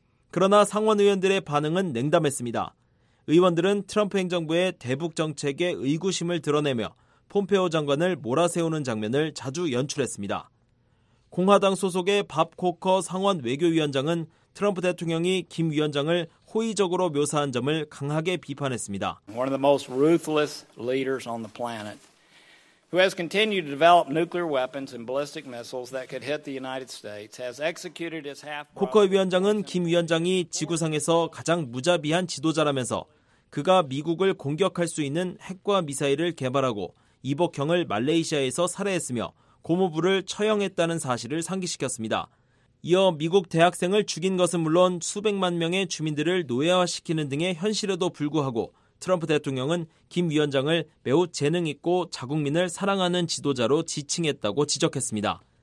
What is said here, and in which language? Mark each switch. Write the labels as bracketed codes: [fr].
[ko] 그러나 상원 의원들의 반응은 냉담했습니다. 의원들은 트럼프 행정부의 대북 정책에 의구심을 드러내며 폼페오 장관을 몰아세우는 장면을 자주 연출했습니다. 공화당 소속의 밥 코커 상원 외교위원장은 트럼프 대통령이 김 위원장을 호의적으로 묘사한 점을 강하게 비판했습니다. [en] One of the most ruthless leaders on the planet, who has continued to develop nuclear weapons and ballistic missiles that could hit the United States, has executed his half. [ko] 코커 위원장은 김 위원장이 지구상에서 가장 무자비한 지도자라면서 그가 미국을 공격할 수 있는 핵과 미사일을 개발하고 이복형을 말레이시아에서 살해했으며 고무부를 처형했다는 사실을 상기시켰습니다. 이어 미국 대학생을 죽인 것은 물론 수백만 명의 주민들을 노예화시키는 등의 현실에도 불구하고 트럼프 대통령은 김 위원장을 매우 재능 있고 자국민을 사랑하는 지도자로 지칭했다고 지적했습니다.